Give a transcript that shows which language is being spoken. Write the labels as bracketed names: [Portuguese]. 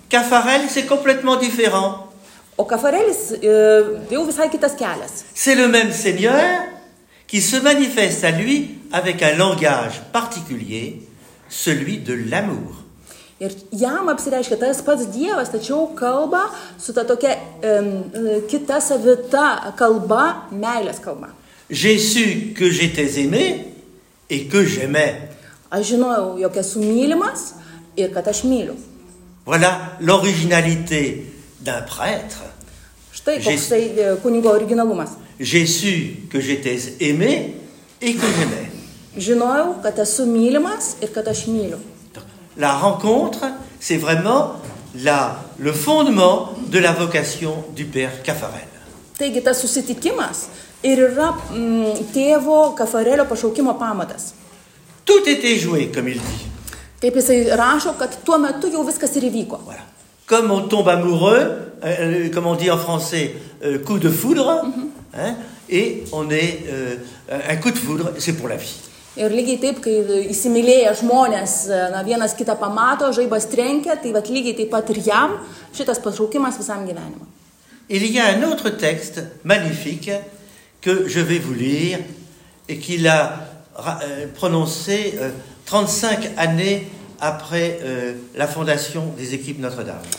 [French] Caffarel, c'est complètement différent. [Lithuanian] O Caffarelis jau visai kitas kelias. [French] C'est le même Seigneur qui se manifeste à lui avec un langage particulier, celui de l'amour. [Lithuanian] Ir jam apsireiškia tas pats Dievas, tačiau kalba su ta tokia kita savita kalba, meilės kalba. [French] J'ai su que j'étais aimé et que j'aimais. [Lithuanian] Aš žinojau, jog esu mylimas. Ir kad aš myliu. [French] Voilà l'originalité d'un prêtre. [Lithuanian] Štai koks tai kunigo originalumas. [French] J'ai su que j'étais aimé et que j'aimais. [Lithuanian] Žinojau, kad esu mylimas ir kad aš myliu. [French] La rencontre, c'est vraiment le fondement de la vocation du père Caffarel. [Lithuanian] Taigi, tas susitikimas ir yra tėvo Caffarelio pašaukimo pamatas. [French] Tout était joué, comme il dit. [Lithuanian] Kaip jisai rašo, kad tuo metu jau viskas ir įvyko. [French] Voilà. Comme on tombe amoureux, comme on dit en français, coup de foudre, mm-hmm. hein? Et on est un coup de foudre, c'est pour la vie. [Lithuanian] Ir lygiai taip, kai įsimylėja žmonės, na, vienas kitą pamato, žaibas trenkia, tai vat lygiai taip pat ir jam šitas pašaukimas visam gyvenimui. [French] Il y a un autre texte magnifique que je vais vous lire et qu'il a prononcé 35 années après la fondation des équipes Notre-Dame.